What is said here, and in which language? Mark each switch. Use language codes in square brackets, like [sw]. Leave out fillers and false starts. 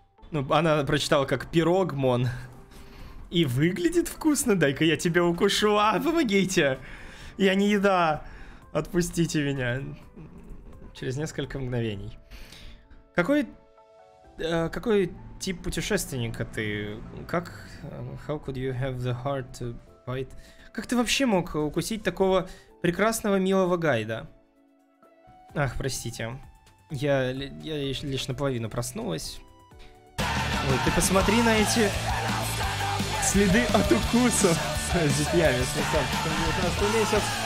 [ru] Ну, она прочитала как пирогмон. И выглядит вкусно. Дай-ка я тебя укушу. А, помогите. Я не еда. Отпустите меня. Через несколько мгновений. Какой тип путешественника ты? Как... [en] How could you have the heart to bite? [ru] Как ты вообще мог укусить такого прекрасного милого гайда? Ах, простите. Я лишь наполовину проснулась. Ой, ты посмотри на эти... Следы от укуса. Здесь я, если сам, что мне 19 месяц.